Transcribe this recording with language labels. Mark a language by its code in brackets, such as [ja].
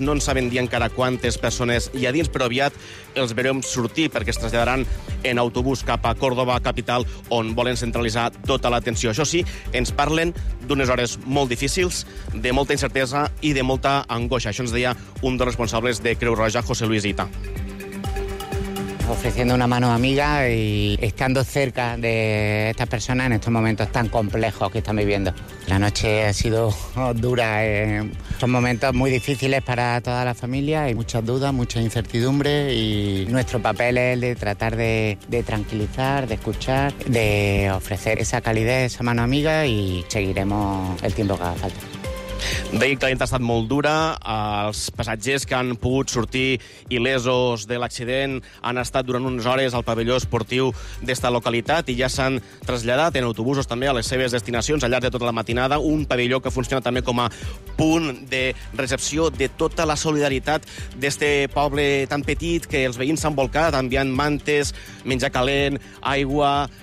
[ca] No en saben dir encara quantes persones hi ha dins, però aviat els veurem sortir, perquè es traslladaran en autobús cap a Còrdoba capital, on volen centralitzar tota l'atenció. Això sí, ens parlen d'unes hores molt difícils, de molta incertesa i de molta angoixa. Això ens deia un dels responsables de Creu Roja, José Luis Ita. [es] Ofreciendo una mano amiga y estando cerca de estas personas en estos momentos tan complejos que están viviendo. La noche ha sido dura, son momentos muy difíciles para toda la familia, hay muchas dudas, mucha incertidumbre y nuestro papel es el de tratar de tranquilizar, de escuchar, de ofrecer esa calidez, esa mano amiga y seguiremos el tiempo que haga falta. [ca] Deia que la nit ha estat molt dura, els passatgers que han pogut sortir il·lesos de l'accident han estat durant unes hores al pavelló esportiu d'esta localitat i ja s'han traslladat en autobusos també a les seves destinacions al llarg de tota la matinada, un pavelló que funciona també com a punt de recepció de tota la solidaritat d'este poble tan petit que els veïns s'han volcat enviant mantes, menjar calent, aigua,